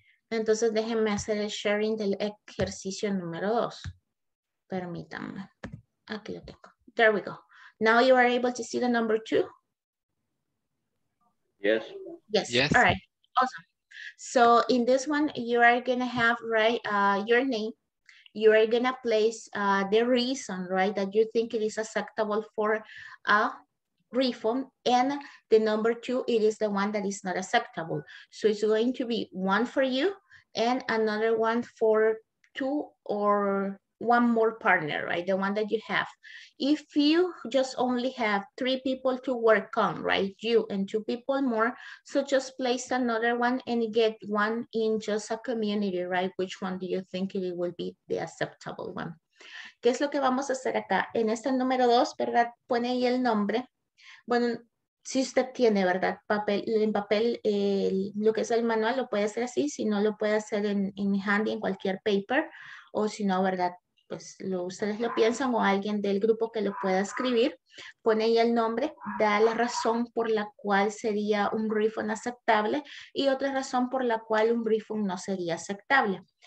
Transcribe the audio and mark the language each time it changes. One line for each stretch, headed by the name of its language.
Spanish: Entonces, déjenme hacer el sharing del ejercicio número dos. Permítanme. Aquí lo tengo.
English: There we go. Now you are able to see the number two? Yes. Yes. Yes. All right. Awesome. So in this one, you are going to have, right, your name. You are going to place the reason, right, that you think it is acceptable for a refund. And the number two, it is the one that is not acceptable. So it's going to be one for you and another one for two or one more partner, right? The one that you have. If you just only have three people to work on, right? You and two people more. So just place another one and get one in just a community, right? Which one do you think it will be the acceptable one?
Spanish: ¿Qué es lo que vamos a hacer acá? En este número dos, ¿verdad? Pone ahí el nombre. Bueno, si usted tiene, ¿verdad? Papel, en papel, lo que es el manual, lo puede hacer así. Si no, lo puede hacer en handy, en cualquier paper. O si no, ¿verdad? Pues lo, ustedes lo piensan o alguien del grupo que lo pueda escribir, pone ahí el nombre, da la razón por la cual sería un refund aceptable y otra razón por la cual un refund no sería aceptable.